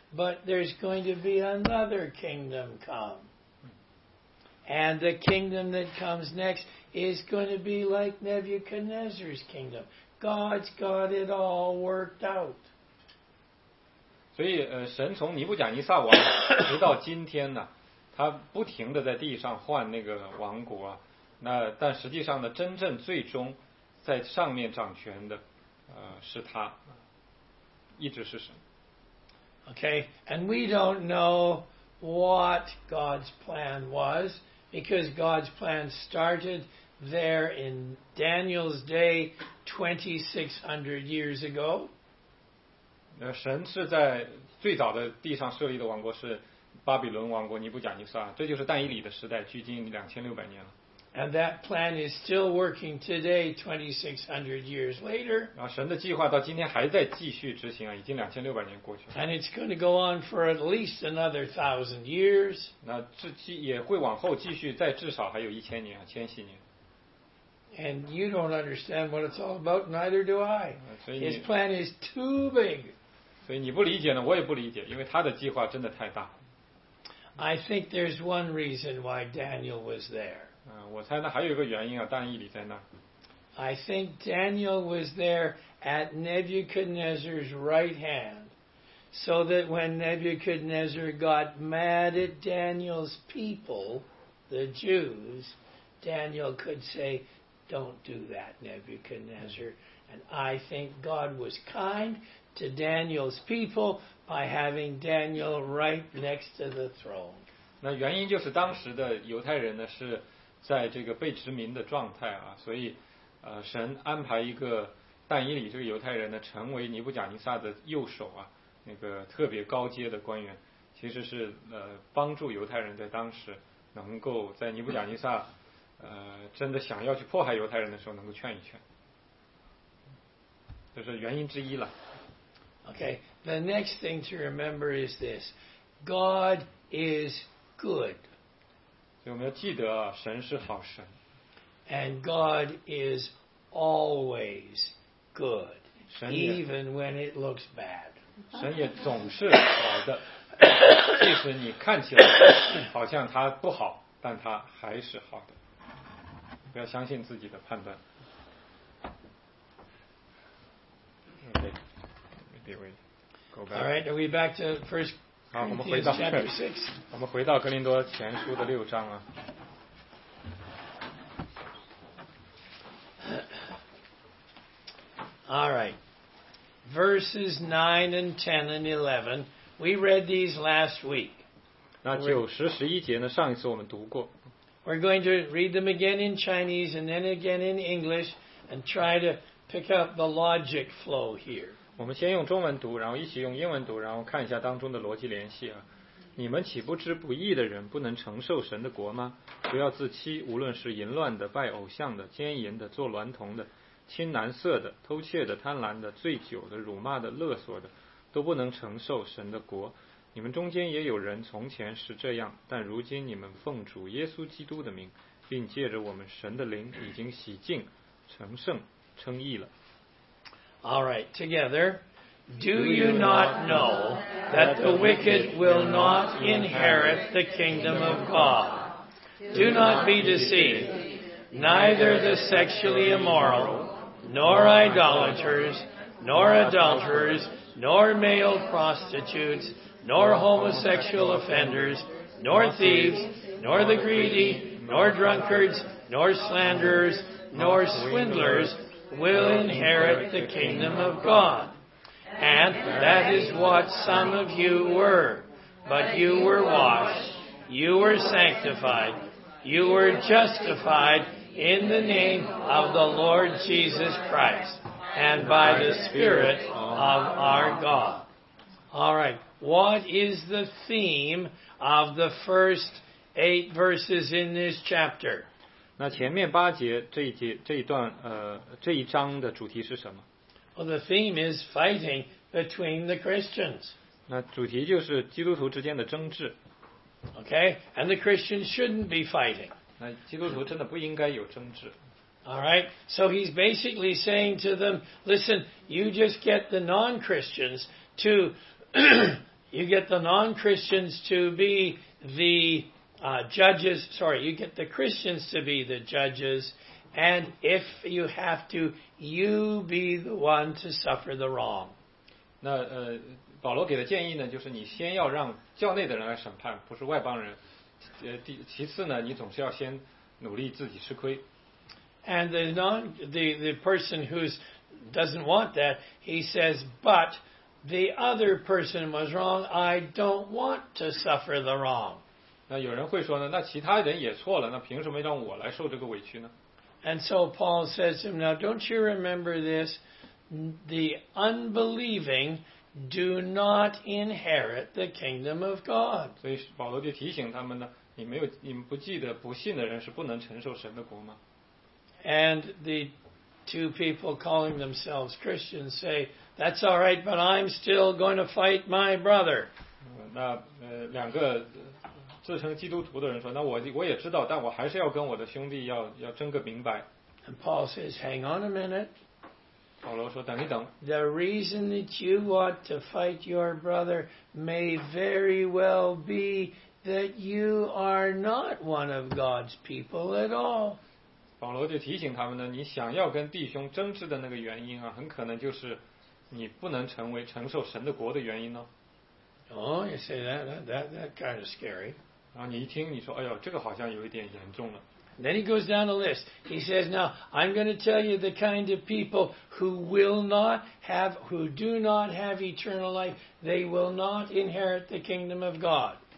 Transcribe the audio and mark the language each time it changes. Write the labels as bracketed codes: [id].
[en] But there's going to be another kingdom come. And the kingdom that comes next is going to be like Nebuchadnezzar's kingdom. God's got it all worked out. [zh] 所以神从尼布甲尼撒王直到今天呢，他不停地在地上换那个王国，那但实际上呢，真正最终在上面掌权的是他，一直是神。 [en] Okay, and we don't know what God's plan was, because God's plan startedthere in Daniel's day 2600 years ago. [zh] 神是在最早的地上设立的王国是巴比伦王国尼布甲尼撒，这就是但以理的时代，距今2600年了。 [en] And that plan is still working today 2600 years later. [zh] 神的计划到今天还在继续执行啊，已经2600年过去了。 [en] And it's going to go on for at least another 1000 years. [zh] 那这也会往后继续，再至少还有1000年啊，千禧年。 [en] And you don't understand what it's all about, neither do I. His plan is too big. [zh] 所以你不理解呢，我也不理解，因为他的计划真的太大。 [en] I think there's one reason why Daniel was there. [zh] 我猜那还有一个原因啊，但以理在那。 [en] I think Daniel was there at Nebuchadnezzar's right hand, so that when Nebuchadnezzar got mad at Daniel's people, the Jews, Daniel could say,Don't do that, Nebuchadnezzar. And I think God was kind to Daniel's people by having Daniel right next to the throne. [zh] 那原因就是当时的犹太人呢是在这个被殖民的状态啊，所以神安排一个但以理这个犹太人呢成为尼布甲尼撒的右手啊，那个特别高阶的官员，其实是帮助犹太人在当时能够在尼布甲尼撒。真的想要去迫害犹太人的时候能够劝一劝，这是原因之一了。 [en] Okay, the next thing to remember is this: God is good. [zh] 所以我们要记得啊，神是好神。 [en] And God is always good, even when it looks bad. [zh] 神也总是好的，即使你看起来好像他不好，但他还是好的。不要相信自己的判断。 [en] Okay, maybe we go back. All right, are we back to First Corinthians chapter 6? [zh] 我们回到格林多前书的六章啊。 [en] All right, verses 9 and 10 and 11. We read these last week. [zh] 那九十十一节呢？上一次我们读过。 [en] We're going to read them again in Chinese and then again in English and try to pick up the logic flow here. [zh] 我们先用中文读，然后一起用英文读，然后看一下当中的逻辑联系啊。你们岂不知不义的人不能承受神的国吗？不要自欺，无论是淫乱的、拜偶像的、奸淫的、做娈童的、亲男色的、偷窃的、贪婪的、醉酒的、辱骂的、勒索的，都不能承受神的国。你们中间也有人从前是这样，但如今你们奉主耶稣基督的名，并借着我们神的灵，已经洗净、成圣、称义了。 [en] All right, together. Do you not know that the wicked will not inherit the kingdom of God? Do not be deceived. Neither the sexually immoral, nor idolaters, nor adulterers, nor male prostitutes, nor homosexual offenders, nor thieves, nor the greedy, nor drunkards, nor slanderers, nor swindlers will inherit the kingdom of God. And that is what some of you were. But you were washed, you were sanctified, you were justified in the name of the Lord Jesus Christ and by the Spirit of our God. All right. What is the theme of the first 8 verses in this chapter? [zh] 那前面八节这一章的主题是什么？ [en] Well, the theme is fighting between the Christians. [zh] 那主题就是基督徒之间的争执。 [en] Okay, and the Christians shouldn't be fighting. [zh] 那基督徒真的不应该有争执。 [en] All right, so he's basically saying to them, listen, you just get the non-Christians to... you get the non-Christians to be the judges. Sorry, you get the Christians to be the judges. And if you have to, you be the one to suffer the wrong. [zh] 那保罗给的建议呢，就是你先要让教内的人来审判，不是外邦人。其次呢，你总是要先努力自己吃亏。 [en] And the person who doesn't want that, he says, but... The other person was wrong. I don't want to suffer the wrong. [zh] 那有人会说呢，那其他人也错了，那凭什么让我来受这个委屈呢？ [en] And so Paul says to him, now don't you remember this? The unbelieving do not inherit the kingdom of God. [zh] 所以保罗就提醒他们呢，你们不记得不信的人是不能承受神的国吗？ [en] And the two people calling themselves Christians say,That's all right, but I'm still going to fight my brother. [zh] 那两个自称基督徒的人说，那我也知道，但我还是要跟我的兄弟要争个明白。 [en] And Paul says, "Hang on a minute." [zh] 保罗说，等一等。 [en] The reason that you want to fight your brother may very well be that you are not one of God's people at all. [zh] 保罗就提醒他们呢，你想要跟弟兄争执的那个原因啊，很可能就是。你不能成为承受神的国的原因呢？ [en] Oh, you say that kind of scary. [zh] 然后你一听，你说，哎呦，这个好像有一点严重了。 [en] Then he goes down the list. He says, now, I'm going to tell you the kind of people who will not have, who do not have eternal life. They will not inherit the kingdom of God.